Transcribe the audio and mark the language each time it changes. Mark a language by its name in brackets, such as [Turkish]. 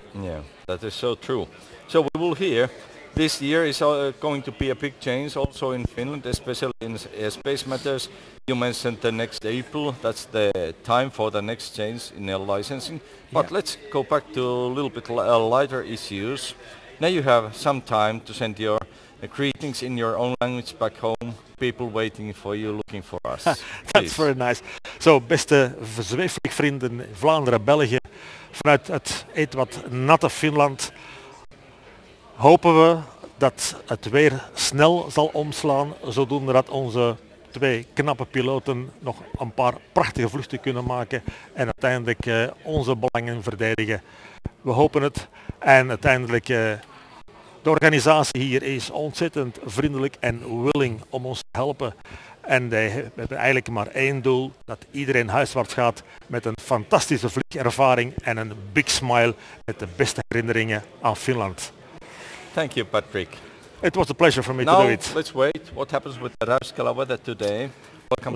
[English] Yeah, that is so true. So we will hear, this year is going to be a big change also in Finland, especially in airspace matters. You mentioned the next April, that's the time for the next change in air licensing. But let's go back to a little bit lighter issues. Now you have some time to send your greetings in your own language back home. People waiting for you, looking for us. That's very nice. [Dutch] So, beste Zweeflieg vrienden, Vlaanderen, België, vanuit het eetwat natte Finland, hopen we dat het weer snel zal omslaan, zodoende dat onze twee knappe piloten nog een paar prachtige vluchten kunnen maken en uiteindelijk onze belangen verdedigen. We hopen het. En uiteindelijk, de organisatie hier is ontzettend vriendelijk en willing om ons te helpen. En we hebben eigenlijk maar één doel, dat iedereen huiswaarts gaat met een fantastische vliegervaring en een big smile met de beste herinneringen aan Finland. [English] Thank you, Patrick. It was a pleasure for me now to do it. Now, let's wait. What happens with the Räyskälä weather today? Welcome